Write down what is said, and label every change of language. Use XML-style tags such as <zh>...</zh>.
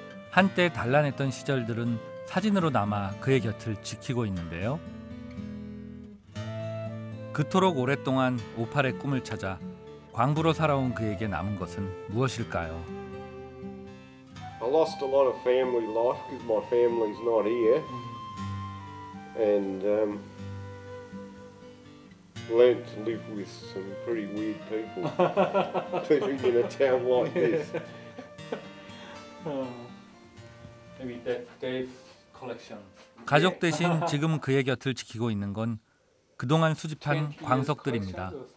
<ko>한때 단란했던 시절들은 사진으로 남아 그의 곁을 지키고 있는데요. 그토록 오랫동안 오팔의 꿈을 찾아 광부로 살아온 그에게 남은 것은 무엇일까요?</ko> <en>I lost a lot of family life because my family's not here. And learned to live with some pretty weird people living in a town like this. I mean, Dave's collection.</en> <ko>가족 대신 지금 그의 곁을 지키고 있는 건 그동안 수집한 광석들입니다.</ko>